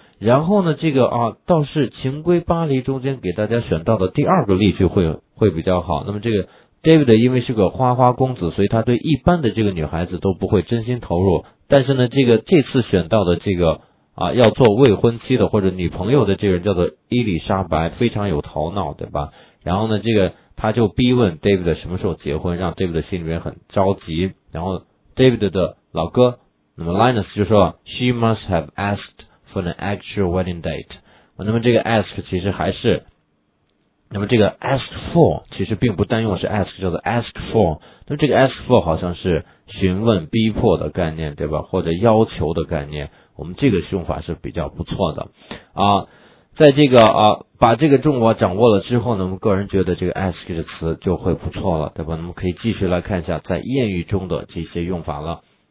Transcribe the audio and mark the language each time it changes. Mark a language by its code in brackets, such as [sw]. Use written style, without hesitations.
[zh] 然后呢，这个啊倒是秦归巴黎中间给大家选到的第二个例句会比较好，那么这个 David 因为是个花花公子，所以他对一般的这个女孩子都不会真心投入，但是呢这次选到的这个啊，要做未婚妻的或者女朋友的这个人叫做伊丽莎白，非常有头脑，对吧？然后呢，这个他就逼问 David 什么时候结婚，让 David 心里面很着急。然后 David 的老哥，那么 Linus 就说 [en] ，She must have asked for an actual wedding date。 [zh] 那么这个 ask 其实还是，那么这个 ask for 其实并不单用是 ask， 叫做 ask for。那么这个 ask for 好像是询问、逼迫的概念，对吧？或者要求的概念。我们这个用法是比较不错的啊，在这个啊，把这个中文掌握了之后呢，我们个人觉得这个 ask 的词就会不错了，对吧？我们可以继续来看一下在谚语中的这些用法了。